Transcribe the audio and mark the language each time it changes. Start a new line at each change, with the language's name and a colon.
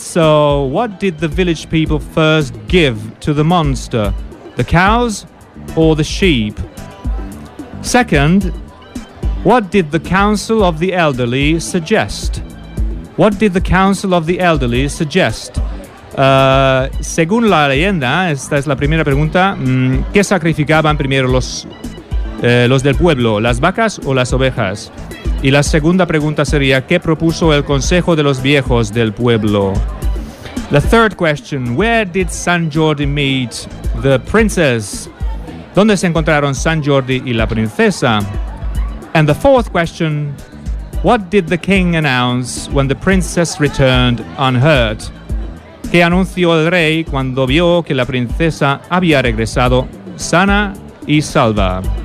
English: So, what did the village people first give to the monster? The cows or the sheep? Second, what did the Council of the Elderly suggest? What did the Council of the Elderly suggest?
Spanish: Según la leyenda, esta es la primera pregunta, ¿qué sacrificaban primero los del pueblo, las vacas o las ovejas? Y la segunda pregunta sería, ¿qué propuso el Consejo de los Viejos del Pueblo?
English: The third question, where did San Jordi meet the princess?
Spanish: ¿Dónde se encontraron San Jordi y la princesa?
English: And the fourth question, what did the king announce when the princess returned unhurt?
Spanish: ¿Qué anunció el rey cuando vio que la princesa había regresado sana y salva?